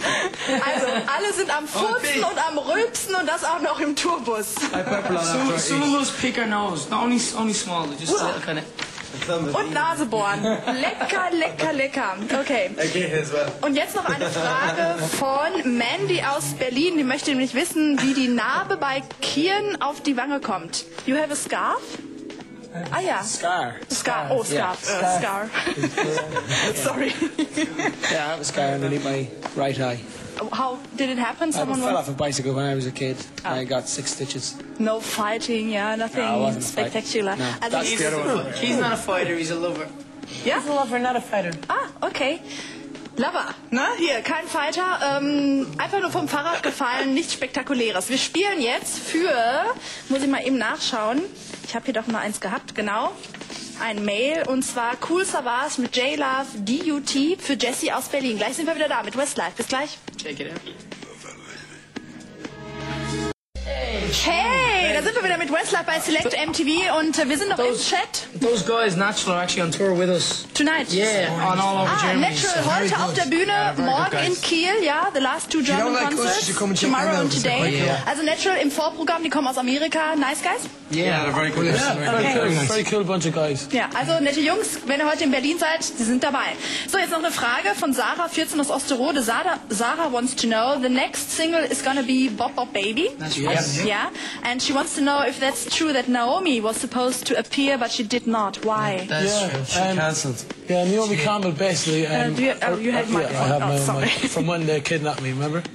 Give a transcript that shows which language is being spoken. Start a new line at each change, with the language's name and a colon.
German: Also, alle sind am Furzen und am Rülpsen und das auch noch im Tourbus.
English: I burp a lot. Some of those pick our nose. Not only small, just a little kind of.
German: Und Nase bohren. Lecker, lecker, lecker. Okay. Und jetzt noch eine Frage von Mandy aus Berlin. Die möchte nämlich wissen, wie die Narbe bei Kian auf die Wange kommt.
English: You have a scarf? Ah ja. Scar. Oh, scarf. Yeah. Scar. Sorry. Yeah, I have a scar underneath my right eye. How did it happen? Someone fell off a bicycle when I was a kid. Oh. I got 6 stitches. No fighting, yeah, nothing spectacular. No. That's the other one. He's not a fighter, he's a lover. Yeah? He's a lover, not a fighter.
German: Ah, okay. Lover, ne? Hier, kein Fighter. Einfach nur vom Fahrrad gefallen, nichts Spektakuläres. Wir spielen jetzt für, muss ich mal eben nachschauen, ich habe hier doch mal eins gehabt, genau. Ein Mail und zwar Cool Savas mit J Love DUT für Jesse aus Berlin. Gleich sind wir wieder da mit Westlife. Bis gleich. Hey, da sind wir wieder mit Westlife bei Select MTV und wir sind noch im Chat.
English: Those guys, Natural, are actually on tour with us. Tonight. Yeah, on all over Germany.
German: Natural, so heute auf der Bühne, morgen in Kiel, ja,
English: the last two German concerts, tomorrow and today.
German: Also Natural im Vorprogramm, die kommen aus Amerika.
English: Nice guys? Yeah, they're very cool. Very cool bunch of guys.
German: Ja, also nette Jungs, wenn ihr heute in Berlin seid, die sind dabei. So, jetzt noch eine Frage von Sarah, 14 aus Osterode.
English: Sarah wants to know, the next single is gonna be Bop Bop Baby. Yeah, and she wants to know if that's true that Naomi was supposed to appear, but she did not. Why? That's true. She cancelled. Yeah, Naomi Campbell, basically. I have my own mic. From when they kidnapped me, remember?